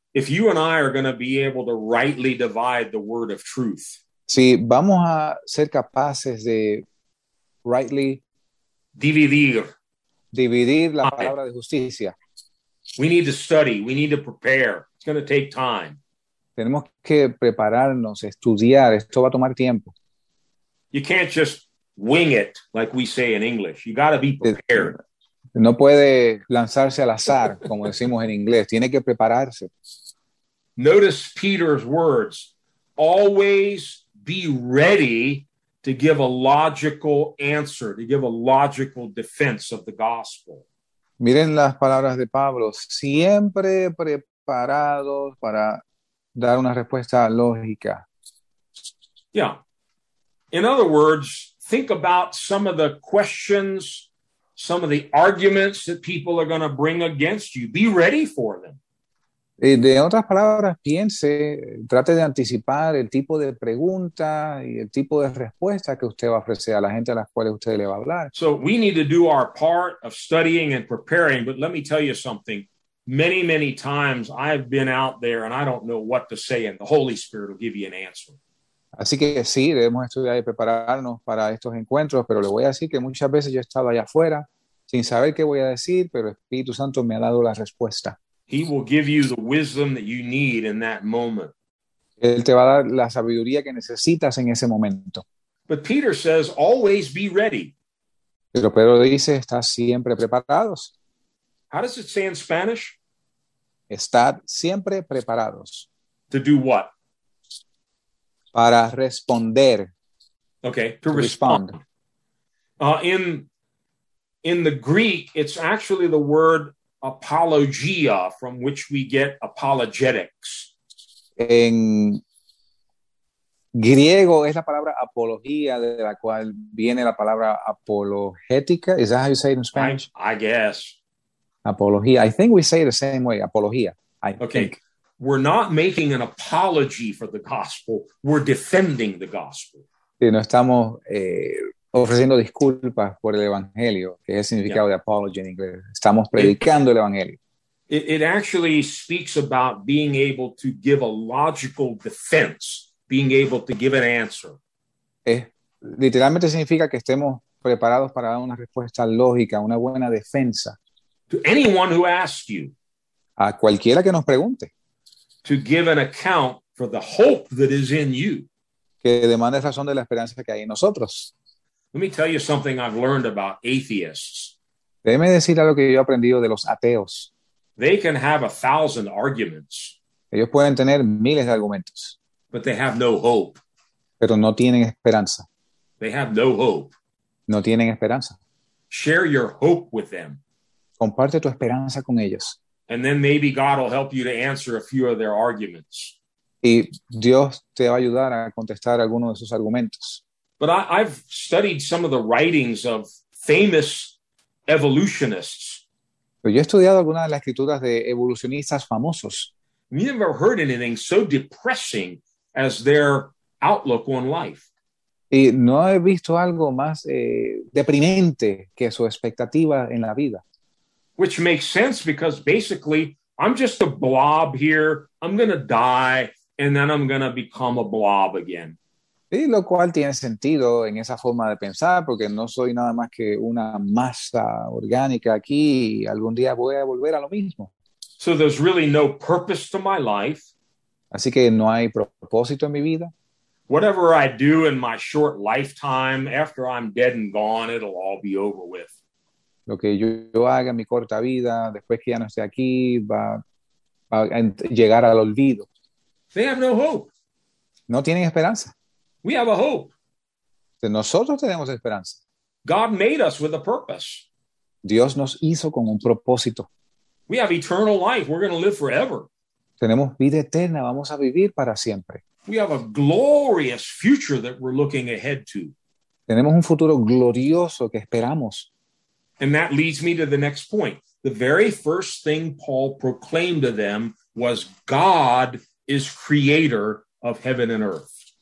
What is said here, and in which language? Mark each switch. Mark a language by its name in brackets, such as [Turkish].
[English] If you and I are going to be able to rightly divide the word of truth, [Spanish] Si vamos a ser capaces de [English] rightly [Spanish] dividir. dividir la palabra de justicia. [English] We need to study. We need to prepare. It's going to take time. [Spanish] Tenemos que prepararnos, estudiar. Esto va a tomar tiempo. [English] You can't just wing it, like we say in English. You got to be prepared. [Spanish] No puede lanzarse al azar, como decimos en inglés. Tiene que prepararse. [English] Notice Peter's words. Always be ready to give a logical answer, to give a logical defense of the gospel. [Spanish] Miren las palabras de Pablo. Siempre preparados para dar una respuesta lógica. [English] Yeah. In other words, think about some of the questions, some of the arguments that people are going to bring against you. Be ready for them. [Spanish] De otras palabras, piense, trate de anticipar el tipo de pregunta y el tipo de respuesta que usted va a ofrecer a la gente a la cual usted le va a hablar. [English] So we need to do our part of studying and preparing, but let me tell you something. Many, many times I've been out there and I don't know what to say, and the Holy Spirit will give you an answer. [Spanish] Así que sí, debemos estudiar y prepararnos para estos encuentros, pero le voy a decir que muchas veces yo he estado allá afuera sin saber qué voy a decir, pero el Espíritu Santo me ha dado la respuesta. [English] He will give you the wisdom that you need in that moment. [Spanish] Él te va a dar la sabiduría que necesitas en ese momento. [English] But Peter says, always be ready. [Spanish] Pero Pedro dice, estás siempre preparados. [English] How does it say in Spanish? [Spanish] Estad siempre preparados [English] To do what? [Spanish] para responder, [English] Okay, to to respond. respond. In the Greek, it's actually the word apologia, from which we get apologetics. [Spanish] En Griego es la palabra apología, de la cual viene la palabra apologética. [English] Is that how you say it in Spanish? I guess. Apología. I think we say it the same way, apología. I think. We're not making an apology for the gospel. We're defending the gospel. [Spanish] Sí, no estamos ofreciendo disculpas por el evangelio, que es el significado de apology en inglés. Estamos predicando el evangelio. [English] It actually speaks about being able to give a logical defense, being able to give an answer. [Spanish] Literalmente significa que estemos preparados para dar una respuesta lógica, una buena defensa. [English] To anyone who asks you. [Spanish] A cualquiera que nos pregunte. [English] To give an account for the hope that is in you. [Spanish] Que demande razón de la esperanza que hay en nosotros. [English] Let me tell you something I've learned about atheists. [Spanish] Déjeme decir algo que yo he aprendido de los ateos. [English] They can have 1,000 arguments. [Spanish] Ellos pueden tener miles de argumentos. [English] But they have no hope. [Spanish] Pero no tienen esperanza. [English] They have no hope. [Spanish] No tienen esperanza. [English] Share your hope with them. [Spanish] Comparte tu esperanza con ellos. [English] And then maybe God will help you to answer a few of their arguments. [Spanish] Y Dios te va a ayudar a contestar algunos de sus argumentos. [English] But I've studied some of the writings of famous evolutionists. [Spanish] Pero yo he estudiado algunas de las escrituras de evolucionistas famosos. [English] You never heard anything so depressing as their outlook on life. [Spanish] Y no he visto algo más deprimente que su expectativa en la vida. [English] Which makes sense because basically, I'm just a blob here, I'm going to die, and then I'm going to become a blob again. [Spanish] Y lo cual tiene sentido en esa forma de pensar, porque no soy nada más que una masa orgánica aquí, y algún día voy a volver a lo mismo. [English] So there's really no purpose to my life. [Spanish] Así que no hay propósito en mi vida. [English] Whatever I do in my short lifetime, after I'm dead and gone, it'll all be over with. [Spanish] Lo que yo haga en mi corta vida, después que ya no esté aquí, va a llegar al olvido. [English] They have no hope. [Spanish] No tienen esperanza. [English] We have a hope. [Spanish] De nosotros tenemos esperanza. [English] God made us with a purpose. [Spanish] Dios nos hizo con un propósito. [English] We have eternal life. We're going to live forever. [Spanish] Tenemos vida eterna. Vamos a vivir para siempre. [English] We have a glorious future that we're looking ahead to. [Spanish] Tenemos un futuro glorioso que esperamos. [English] And that leads me to the next point. The very first thing Paul proclaimed to them was God is creator of heaven and earth.